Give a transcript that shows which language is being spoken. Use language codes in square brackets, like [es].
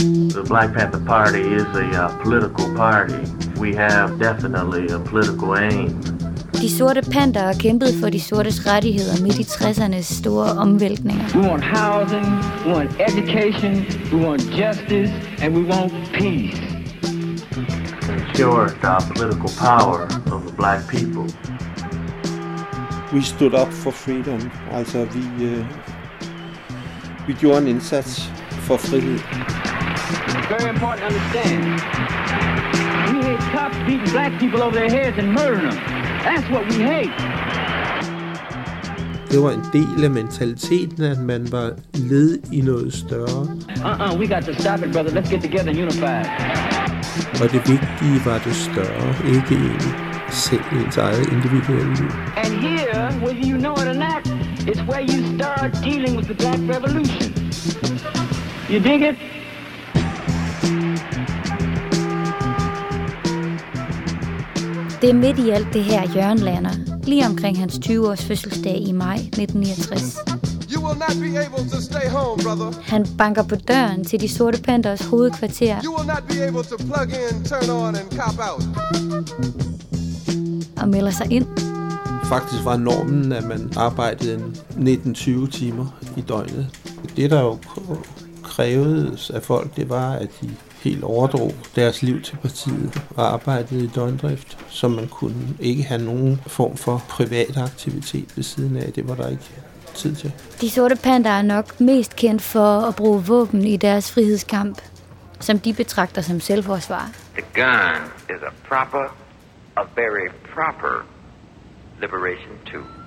[en] The Black Panther Party is a political party. We have definitely a political aim. [da] De sorte pantere kæmpede for de sortes rettigheder midt i 60'ernes store omvæltninger. [en] We want housing, we want education, we want justice, and we want peace. Ensure the political power of the black people. We stood up for freedom. [da] Altså, vi gjorde en indsats for frihed. [en] Very important to understand. We hate cops beating black people over their heads and murdering them. That's what we hate. [da] Det var en del af mentaliteten, at man var led i noget større. [en] We got to stop it, brother. Let's get together and unify. [da] Og det vigtige var det større, ikke selv ens eget individuelle liv. [en] And here, whether you know it or not, it's where you start dealing with the Black Revolution. You dig it? [da] Det er midt i alt det her, Jørgen lander, lige omkring hans 20-års fødselsdag i maj 1969. [en] You will not be able to stay home, brother. [da] Han banker på døren til de sorte panteres hovedkvarter. [en] You will not be able to plug in, turn on and cop out. [da] Og melder sig ind. Faktisk var normen, at man arbejdede 19-20 timer i døgnet. Det, der jo krævedes af folk, det var, at de helt overdrog deres liv til partiet og arbejdede i døgndrift, så man kunne ikke have nogen form for privat aktivitet ved siden af. Det var der ikke tid til. De sorte panter er nok mest kendt for at bruge våben i deres frihedskamp, som de betragter som selvforsvar. [en] The gun is a proper, a very proper liberation tool.